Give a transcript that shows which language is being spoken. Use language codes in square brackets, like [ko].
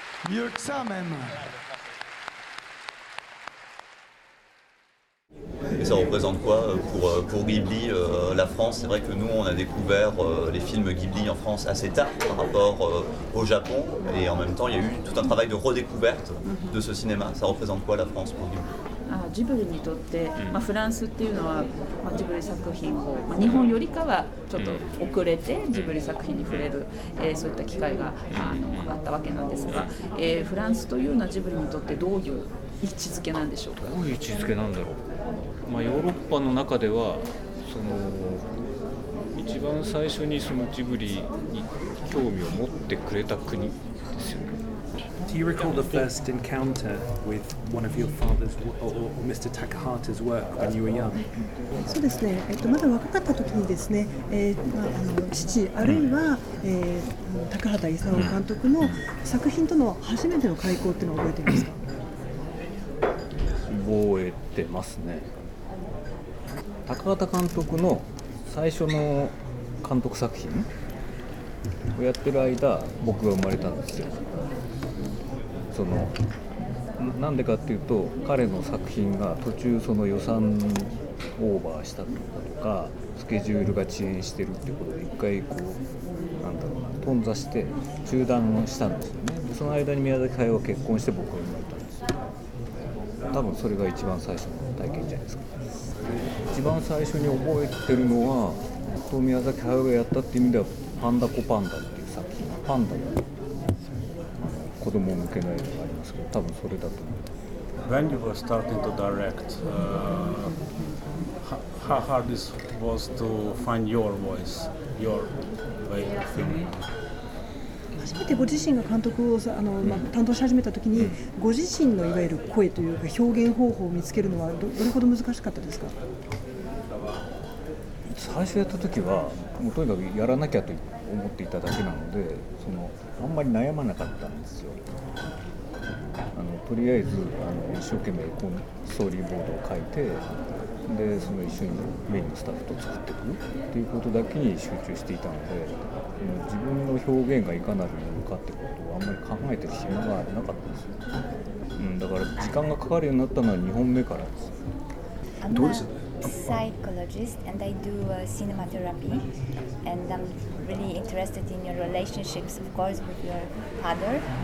[fr] Mieux que ça même. Et ça représente quoi pour Ghibli, la France? C'est vrai que nous, on a découvert les films Ghibli en France assez tard par rapport au Japon. Et en même temps, il y a eu tout un travail de redécouverte de ce cinéma. Ça représente quoi la France pour Ghibli? [ja] ジブリにとって、フランスっていうのは、ジブリ作品を、日本よりかはちょっと遅れてジブリ作品に触れる、そういった機会が あったわけなんですが、フランスというのはジブリにとってどういう位置づけなんでしょうか。どういう位置づけなんだろう。ヨーロッパの中ではその一番最初にそのジブリに興味を持ってくれた国ですよね。 [en] Do you recall the first encounter with one of your father's or Mr. Takahata's work when you were young? [ja] そうですね。まだ若かった時にですね、父あるいは、高畑勲監督の作品との初めての開講っていうのを覚えていますか？覚えてますね。高畑監督の最初の監督作品をやってる間、僕が生まれたんですよ。なんでかっていうと、彼の作品が途中その予算オーバーしたとか、スケジュールが遅延してるっていうことで一回こう、なんだろうな、頓挫して中断したんですよね。でその間に宮崎駿は結婚して僕が生まれたんですよ。多分それが一番最初の体験じゃないですか。一番最初に覚えてるのは、宮崎駿がやったっていう意味では、パンダコパンダっていう作品、パンダの子供向けの映画がありますけど、多分それだと思います。 [en] when you were starting to direct, how hard it was to find your voice, your way of filming? [ja] 初めてご自身が監督をさ、担当し始めたときに、ご自身のいわゆる声というか表現方法を見つけるのは どれほど難しかったですか？最初やったときは、もうとにかくやらなきゃと思っていただけなので、そのあんまり悩まなかったんですよ。とりあえず一生懸命こうストーリーボードを書いて、でその一緒にメインのスタッフと作っていくということだけに集中していたので、自分の表現がいかなるものかってことをあんまり考えてる暇がなかったんですよ。だから時間がかかるようになったのは2本目からです。どうでしたね？ [en] I'm a psychologist and I do cinema therapy and I'm really interested in your relationships of course with your father.